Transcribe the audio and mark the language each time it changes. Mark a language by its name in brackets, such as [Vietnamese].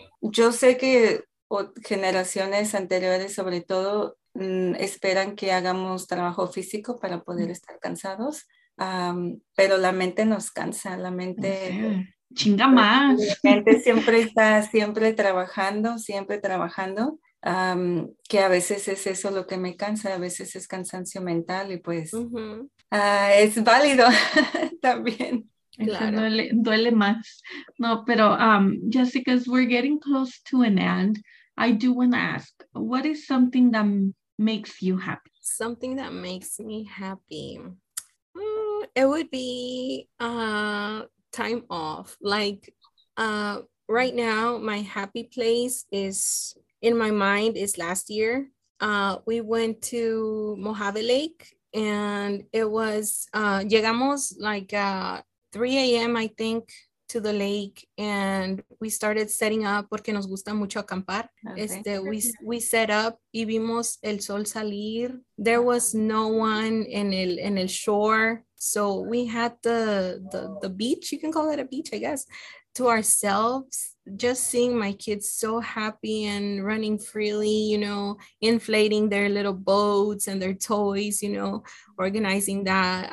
[Spanish] Yo sé que generaciones anteriores sobre todo esperan que hagamos trabajo físico para poder estar cansados, pero la mente nos cansa, la mente... Sí. ¡Chinga más! La gente siempre está siempre trabajando, que a veces es eso lo que me cansa, a veces es cansancio mental y pues... Uh-huh. Es válido también. Claro. Duele más. No, pero [English] Jessica, as we're getting close to an end, I do want to ask, what is something that makes you happy? Something that makes me happy. It would be time off. Like right now, my happy place is in my mind is last year. We went to Mojave Lake and it was, [Spanish] llegamos [English] like 3 a.m. I think to the lake and we started setting up [Spanish] porque nos gusta mucho acampar. [English] Okay. We set up [Spanish] y vimos el sol salir. [English] There was no one in el shore. So we had the beach, you can call it a beach, I guess, to ourselves, just seeing my kids so happy and running freely, you know, inflating their little boats and their toys, you know, organizing that.